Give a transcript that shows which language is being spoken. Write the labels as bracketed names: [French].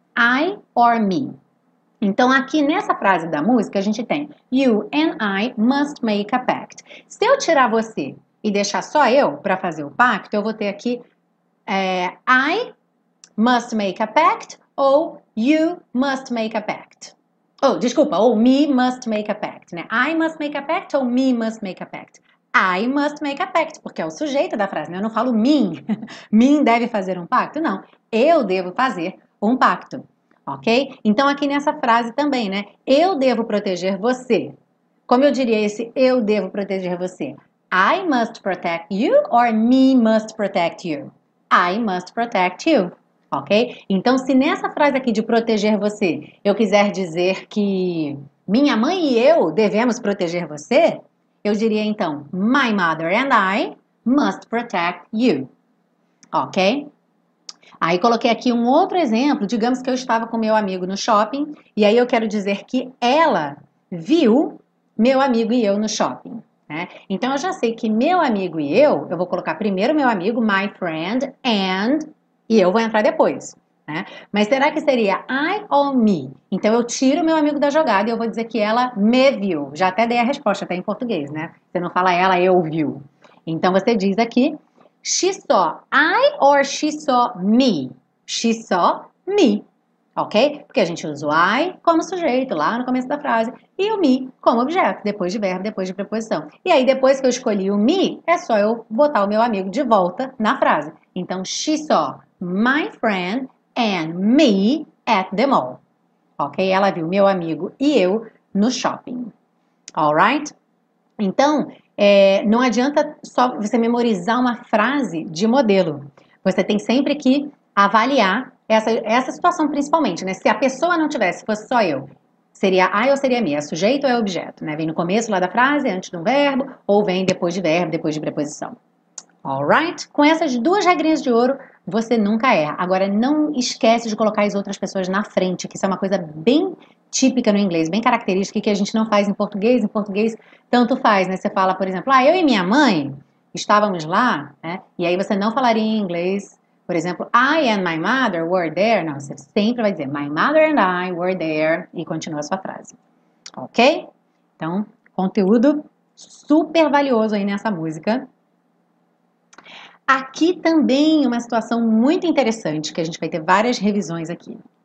[English] I or me? [Portuguese] Então, aqui nessa frase da música, a gente tem [English] You and I must make a pact. [Portuguese] Se eu tirar você e deixar só eu para fazer o pacto, eu vou ter aqui [English] I must make a pact [Portuguese] ou [English] You must make a pact. [Portuguese] Ou, desculpa, ou [English] Me must make a pact, [Portuguese] né? [English] I must make a pact ou Me must make a pact? I must make a pact, [Portuguese] porque é o sujeito da frase, né? Eu não falo me. Me deve fazer um pacto? Não. Eu devo fazer um pacto. Ok? Então, aqui nessa frase também, né? Eu devo proteger você. Como eu diria esse eu devo proteger você? [English] I must protect you or me must protect you? I must protect you. Ok? [Portuguese] Então, se nessa frase aqui de proteger você, eu quiser dizer que minha mãe e eu devemos proteger você, eu diria então, [English] my mother and I must protect you. [Portuguese] Ok? Aí coloquei aqui um outro exemplo. Digamos que eu estava com meu amigo no shopping e aí eu quero dizer que ela viu meu amigo e eu no shopping, né? Então eu já sei que meu amigo e eu vou colocar primeiro meu amigo, [English] my friend, and [Portuguese] e eu vou entrar depois, né? Mas será que seria [English] I or me? [Portuguese] Então eu tiro meu amigo da jogada e eu vou dizer que ela me viu. Já até dei a resposta, até em português, né? Você não fala ela, eu viu. Então você diz aqui. [English] She saw I or she saw me? She saw me. Ok? [Portuguese] Porque a gente usa o I como sujeito lá no começo da frase e o me como objeto, depois de verbo, depois de preposição. E aí, depois que eu escolhi o me, é só eu botar o meu amigo de volta na frase. [English] Então, she saw my friend and me at the mall. Ok? [Portuguese] Ela viu meu amigo e eu no shopping. Alright? Então, não adianta só você memorizar uma frase de modelo. Você tem sempre que avaliar essa situação principalmente, né? Se a pessoa não tivesse, fosse só eu, seria I ou seria me? É sujeito ou é objeto? Né? Vem no começo lá da frase, antes de um verbo, ou vem depois de verbo, depois de preposição. Alright? Com essas duas regrinhas de ouro, você nunca erra. Agora, não esquece de colocar as outras pessoas na frente, que isso é uma coisa bem típica no inglês, bem característica, que a gente não faz em português. Em português, tanto faz, né? Você fala, por exemplo, ah, eu e minha mãe estávamos lá, né? E aí você não falaria em inglês. [English] Por exemplo, I and my mother were there. [Portuguese] Não, você sempre vai dizer, [English] my mother and I were there. [Portuguese] E continua a sua frase. Ok? Então, conteúdo super valioso aí nessa música. Aqui também uma situação muito interessante, que a gente vai ter várias revisões aqui.